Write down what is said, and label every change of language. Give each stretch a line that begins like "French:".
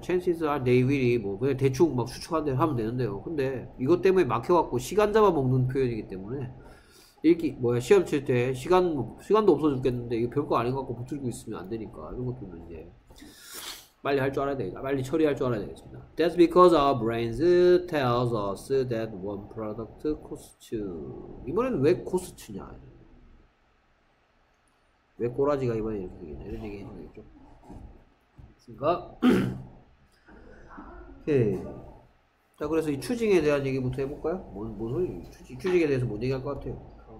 English: Chances are they will
Korean: 이 뭐 그냥 대충 막 추측한 대로 하면 되는데요. 근데 이것 때문에 막혀갖고 시간 잡아먹는 표현이기 때문에 읽기 뭐야 시험 칠 때 시간도 없어 죽겠는데 이거 별거 아닌 것 같고 붙들고 있으면 안 되니까 이런 것도 이제 빨리 할 줄 알아야 되겠다. 빨리 처리할 줄 알아야 되겠습니다.
English: That's because our brains tells us that one product costs.
Korean: 이번에는 왜 costs냐? 왜 꼬라지가 이번에 이렇게 되겠냐 이런 얘기 해주는 거겠죠. 그니까 자 그래서 이 추징에 대한 얘기부터 해볼까요? 뭔 소리? 추징에 대해서 뭔 얘기할 것 같아요?